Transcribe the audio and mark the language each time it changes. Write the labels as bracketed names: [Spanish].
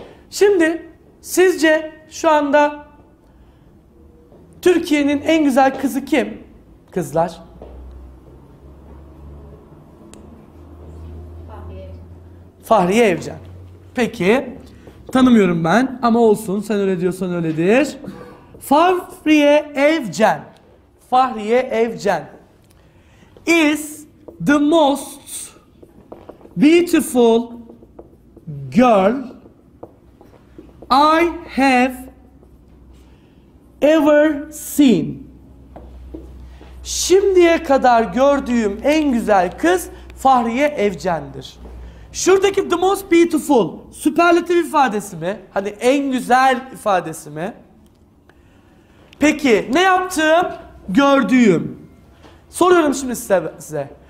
[Turkish] Şimdi sizce şu anda Türkiye'nin en güzel kızı kim? Kızlar. Fahriye. Fahriye Evcen. Peki. Tanımıyorum ben ama olsun, sen öyle diyorsan öyledir. Fahriye Evcen. Fahriye Evcen. [English] Is the most beautiful girl I have ever seen. [Turkish] Şimdiye kadar gördüğüm en güzel kız Fahriye Evcen'dir. Şuradaki [English] the most beautiful, [Turkish] süperlatif ifadesi mi? Hani en güzel ifadesi mi? Peki ne yaptım? Gördüğüm. Soruyorum şimdi size.